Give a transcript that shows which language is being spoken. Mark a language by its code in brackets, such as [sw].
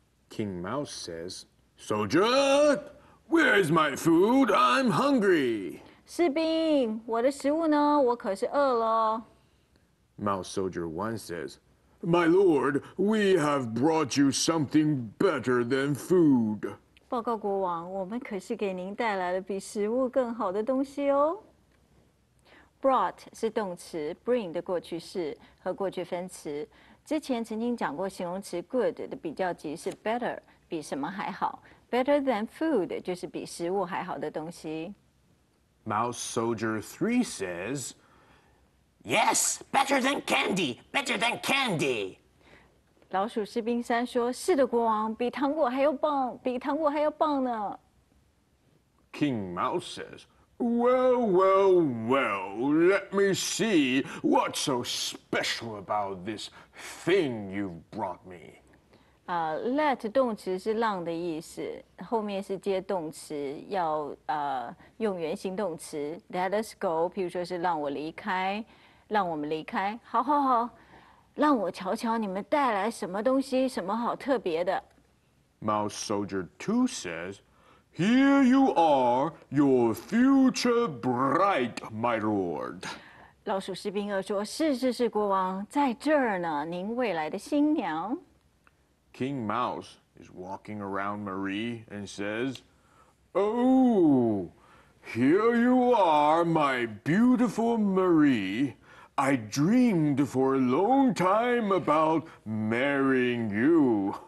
[en] King Mouse says, "Soldier, where is my food? I'm hungry." [zh] 士兵，我的食物呢？我可是饿了。 [en] Mouse Soldier One says, "My lord, we have brought you something better than food." [zh] 报告国王，我们可是给您带来了比食物更好的东西哦。 Brought 是动词 ，bring 的过去式和过去分词。之前曾经讲过形容词 good 的比较级是 better， 比什么还好。 [en] Better than food [zh] 就是比食物还好的东西。 [en] Mouse Soldier 3 says, "Yes, better than candy, better than candy." [zh] 老鼠士兵三说，是的，国王，比糖果还要棒，比糖果还要棒呢。 [en] King Mouse says,Well, well, well, let me see what's so special about this thing you've brought me. [zh] Let 动词是让的意思，后面是接动词，要用原形动词。 [en] Let us go, [zh] 譬如说是让我离开，让我们离开。好好好，让我瞧瞧你们带来什么东西，什么好特别的。 [en] Mouse Soldier 2 says,Here you are, your future bright, my lord. [zh] 老鼠士兵二说：“是是是，国王，在这儿呢，您未来的新娘。” [en] King Mouse is walking around Marie and says, "Oh, here you are, my beautiful Marie. I dreamed for a long time about marrying you."